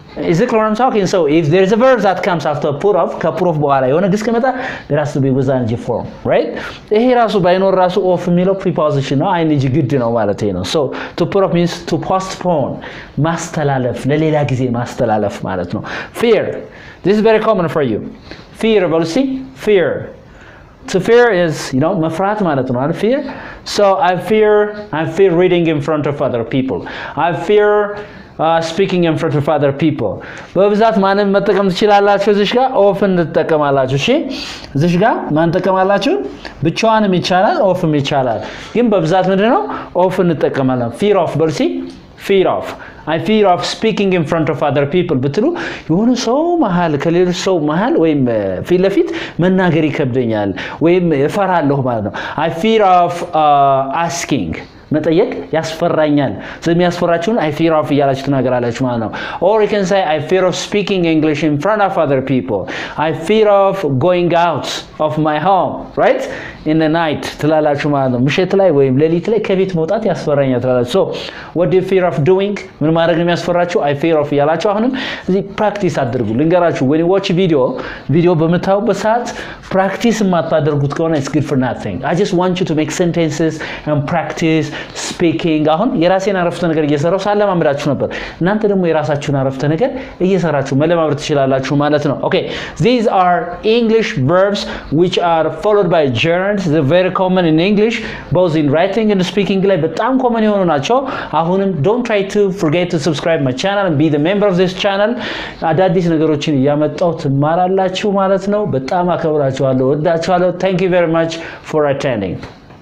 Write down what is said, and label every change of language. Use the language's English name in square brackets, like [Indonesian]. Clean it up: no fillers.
[English] is it what I'm talking so if there's a verb that comes after put off ka put off [Amharic] በኋላ የሆነ ግስ ከመጣ [English] there has to be with ing form right [Amharic] ይሄ ራሱ ባይኖር ራሱ [English] off [Amharic] የሚለው [English] preposition ነው ing [Amharic] ግድ ነው ማለት ነው [English] so to put off means to postpone [Amharic] ማስተላለፍ ለሌላ ጊዜ ማስተላለፍ ማለት ነው [English] fear this is very common for you fear will see fear to fear is you know [Amharic] መፍራት ማለት ነው [English] fear so i fear reading in front of other people i fear speaking in front of other people. [Amharic] በብዛት ማንን መጠቀም ትችላላችሁ እዚህ ጋር? often ትጠቀማላችሁ እሺ? እዚህ ጋር ማን ተጠቀማላችሁ? ብቻዋንም ይቻላል often ይቻላል። ግን በብዛት ምንድነው? often ትጠቀማላችሁ። fear of በርሲ fear of [English] I fear of speaking in front of other people [Amharic] ብትሉ የሆነ ሰው መሃል ከሌሎ ሰው መሃል ወይም ፊት ለፊት መናገር ይከብደኛል ወይም እፈራለሁ ማለት ነው። [English] I fear of asking [Amharic] መጠየቅ ያስፈራኛል። ስለዚህ ያስፈራችሁን I fear of እያላችሁ ትናገራላችሁ ማለት ነው። [English] Or you can say I fear of speaking English in front of other people. I fear of going out of my home, right? In the night [Amharic] ትላላችሁ ማለት ነው። ምሽት ላይ ወይም ሌሊት ላይ ከቤት መውጣት ያስፈራኛል ትላላችሁ። [English] So what do you fear of doing? [Amharic] ምን ማድረግ ነው ያስፈራችሁ? I fear of እያላችሁ አሁንም እዚህ practice አድርጉ። ልንገራችሁ [English] when you watch video [Amharic] በምታዩበት ሰዓት practice ማታደርጉት ከሆነ [English] it's good for nothing. I just want you to make sentences and practice speaking [Amharic] አሁን የራሴን አረፍተ ነገር እየሰራሁ ሳለማምራችሁ ነበር። እናንተ ደግሞ የራሳችሁን አረፍተ ነገር እየሰራችሁ መለማምራት ትችላላችሁ ማለት ነው። [English] Okay, these are English verbs which are followed by gerunds. They're very common in English, both in writing and speaking. [Amharic] ላይ በጣም common የሆኑ ናቸው። አሁንም [English] don't try to forget to subscribe my channel and be the member of this channel. [Amharic] አዳዲስ ነገሮችን እያመጣሁ ትማራላችሁ ማለት ነው። በጣም አከብራችኋለሁ፣ ወዳችኋለሁ። [English] Thank you very much for attending.